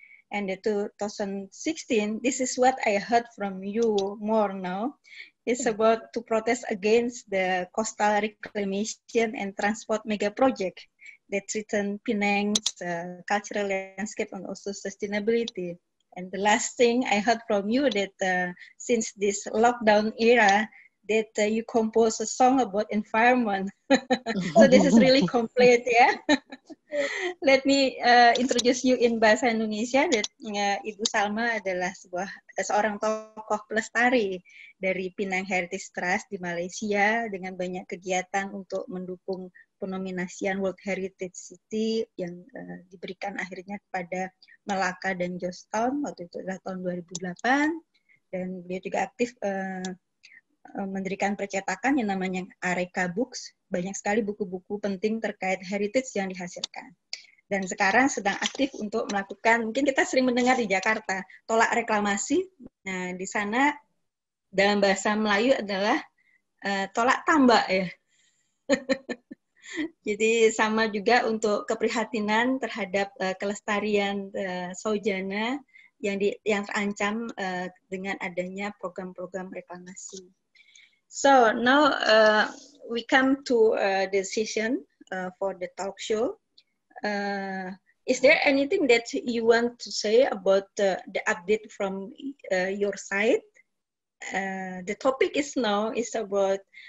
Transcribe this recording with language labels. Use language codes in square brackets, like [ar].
[en] And the 2016, this is what I heard from you more now, is about to protest against the coastal reclamation and transport mega project that threaten Penang's cultural landscape and also sustainability. And the last thing I heard from you that since this lockdown era, that you compose a song about environment. So this is really complete, yeah? Let me introduce you in Bahasa Indonesia, that [id] Ibu Salma adalah seorang tokoh pelestari dari Penang Heritage Trust di Malaysia dengan banyak kegiatan untuk mendukung penominasian World Heritage City yang diberikan akhirnya kepada Malacca dan Jostal waktu itu adalah tahun 2008. Dan beliau juga aktif mendirikan percetakan yang namanya Areka Books. Banyak sekali buku-buku penting terkait heritage yang dihasilkan. Dan sekarang sedang aktif untuk melakukan, mungkin kita sering mendengar di Jakarta, tolak reklamasi. Nah, di sana dalam bahasa Melayu adalah tolak tambak, ya. Jadi sama juga untuk keprihatinan terhadap kelestarian saujana yang terancam dengan adanya program-program reklamasi. [en] So now we come to the session for the talk show. Is there anything that you want to say about the update from your side? The topic is now about